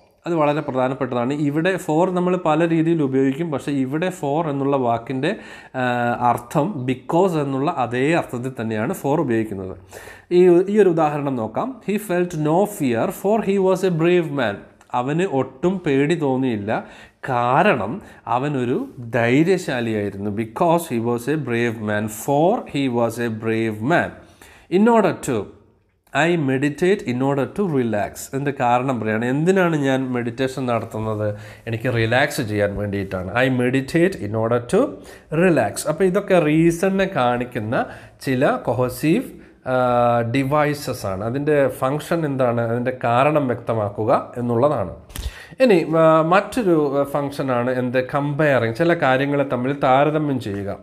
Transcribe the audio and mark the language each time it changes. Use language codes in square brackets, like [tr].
[ml] അത് വളരെ പ്രധാനപ്പെട്ടതാണ്. ഇവിടെ ഫോർ നമ്മൾ പല രീതിയിൽ ഉപയോഗിക്കും, പക്ഷേ ഇവിടെ ഫോർ എന്നുള്ള വാക്കിൻ്റെ അർത്ഥം ബിക്കോസ് എന്നുള്ള അതേ അർത്ഥത്തിൽ തന്നെയാണ് ഫോർ ഉപയോഗിക്കുന്നത്. ഈ ഒരു ഉദാഹരണം നോക്കാം. [en] He felt no fear for he was a brave man. [ml] അവന് ഒട്ടും പേടി തോന്നിയില്ല, കാരണം അവനൊരു ധൈര്യശാലിയായിരുന്നു. [en] Because he was a brave man, for he was a brave man. In order to I meditate in order to relax. [ml] എൻ്റെ കാരണം പറയുകയാണ്, എന്തിനാണ് ഞാൻ മെഡിറ്റേഷൻ നടത്തുന്നത്, എനിക്ക് റിലാക്സ് ചെയ്യാൻ വേണ്ടിയിട്ടാണ്. [en] I meditate in order to relax. [ml] അപ്പോൾ ഇതൊക്കെ റീസണിനെ കാണിക്കുന്ന ചില കൊഹസീവ് ഡിവൈസസ് ആണ്. അതിൻ്റെ ഫങ്ഷൻ എന്താണ്, അതിൻ്റെ കാരണം വ്യക്തമാക്കുക എന്നുള്ളതാണ്. ഇനി മറ്റൊരു ഫങ്ഷനാണ് എന്ത്, കമ്പയറിങ്, ചില കാര്യങ്ങളെ തമ്മിൽ താരതമ്യം ചെയ്യുക.